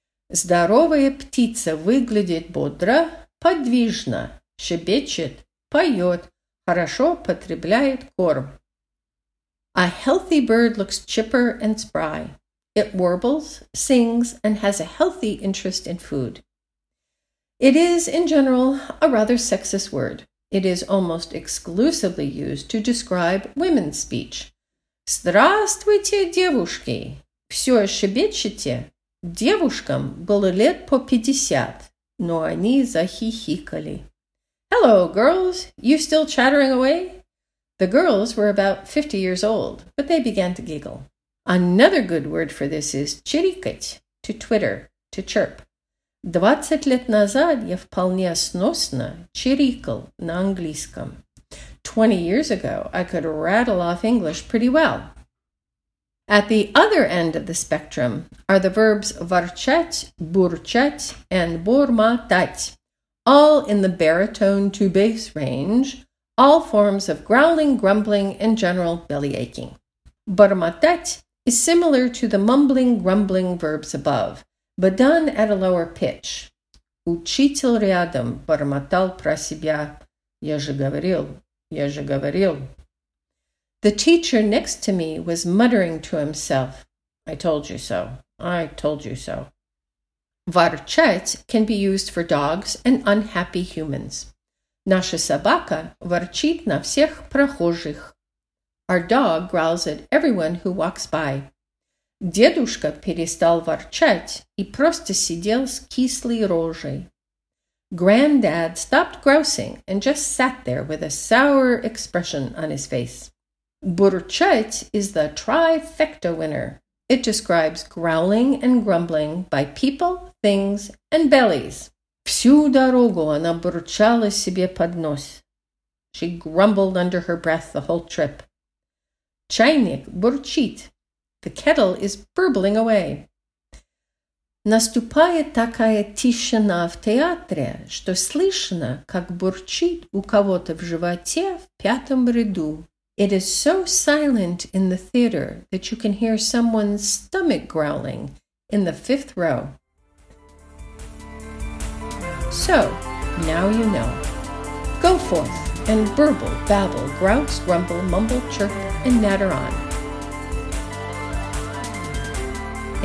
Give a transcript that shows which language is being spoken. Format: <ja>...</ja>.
<ru>Здоровая птица выглядит бодро, подвижно, щебечет, поет, хорошо потребляет корм.</ru> <en>A healthy bird looks chipper and spry. It warbles, sings, and has a healthy interest in food. It is, in general, a rather sexist word. It is almost exclusively used to describe women's speech.</en> <ru>Здравствуйте, девушки! Все щебечете? Девушкам было лет по 50, но они захихикали.</ru> <en>Hello, girls. You still chattering away? The girls were about 50 years old, but they began to giggle. Another good word for this is чирикать, to twitter, to chirp.</en> <ru>20 лет назад я вполне сносно чирикал на английском.</ru> <en>20 years ago, I could rattle off English pretty well. At the other end of the spectrum are the verbs ворчать, бурчать, and бормотать, all in the baritone to bass range, all forms of growling, grumbling, and general bellyaching. Бормотать is similar to the mumbling, grumbling verbs above, but done at a lower pitch.</en> <ru>Учитель рядом бормотал про себя. Я же говорил, я же говорил.</ru> <en>The teacher next to me was muttering to himself, I told you so, I told you so. Ворчать can be used for dogs and unhappy humans.</en> <ru>Наша собака ворчит на всех прохожих.</ru> <en>Our dog growls at everyone who walks by.</en> <ru>Дедушка перестал ворчать и просто сидел с кислой рожей.</ru> <en>Granddad stopped grousing and just sat there with a sour expression on his face. Бурчать is the trifecta winner. It describes growling and grumbling by people, things, and bellies.</en> <ru>Всю дорогу она бурчала себе под нос.</ru> <en>She grumbled under her breath the whole trip.</en> <ru>Чайник бурчит.</ru> <en>The kettle is burbling away.</en> <ru>Наступает такая тишина в театре, что слышно, как бурчит у кого-то в животе в пятом ряду.</ru> <en>It is so silent in the theater that you can hear someone's stomach growling in the fifth row. So, now you know. Go forth and burble, babble, grouse, grumble, mumble, chirp, and natter on.</en>